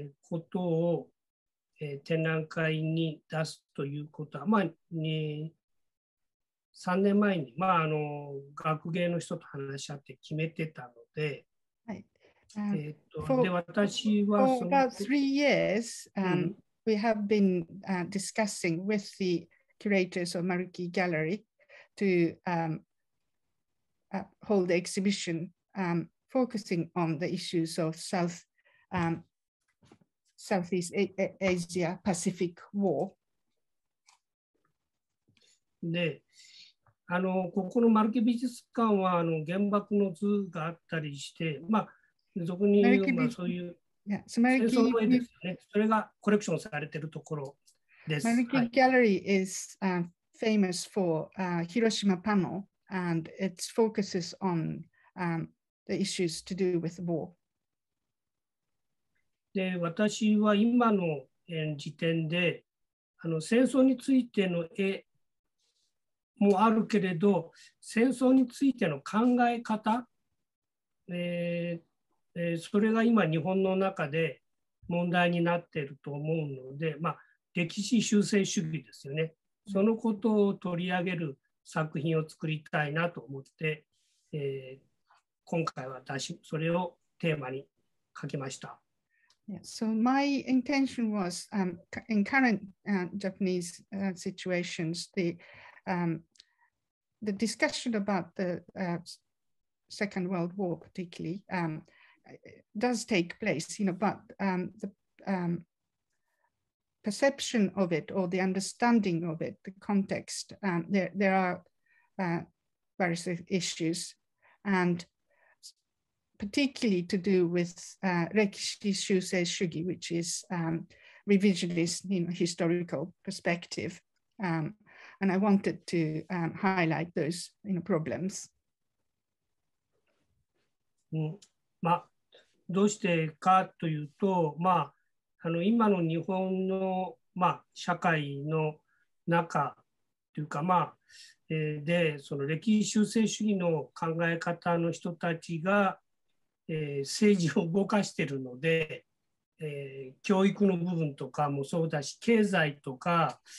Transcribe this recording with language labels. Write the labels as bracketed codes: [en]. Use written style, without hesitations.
[ja] ことを、展覧会に出すということは、まあね3年前に、まあ、あの学芸の人と話し合って決めてたので、で私はその [en] For about 3 years, we have been discussing with the curators of Maruki Gallery to hold the exhibition focusing on the issues of Southeast Asia Pacific War. [ja] で、あのここのマルキ美術館はあの原爆の図があったりして、まあ、俗に言う、まあ、そういう戦争の絵ですよね。それがコレクションされているところです。 [en] マルキ Gallery is famous for Hiroshima Panel and it focuses on the issues to do with war. [ja] で私は今の時点であの戦争についての絵もあるけれど、戦争についての考え方、それが今日本の中で問題になっていると思うので、まあ、歴史修正主義ですよね。そのことを取り上げる作品を作りたいなと思って、今回は私それをテーマに書きました。 [en] Yeah, so my intention was in current Japanese situations, the discussion about the Second World War particularly does take place, you know, but the perception of it or the understanding of it, the context, there are various issues and particularly to do with Rekishi Shusei Shugi, which is revisionist, you know, historical perspective. And I wanted to highlight those, you know, problems. [ja] まあ、どうしてかというと、まあ、あの今の日本の、まあ、社会の中というか、まあ、でその歴史修正主義の考え方の人たちが、政治を動かしているので、教育の部分とかもそうだし、経済とか、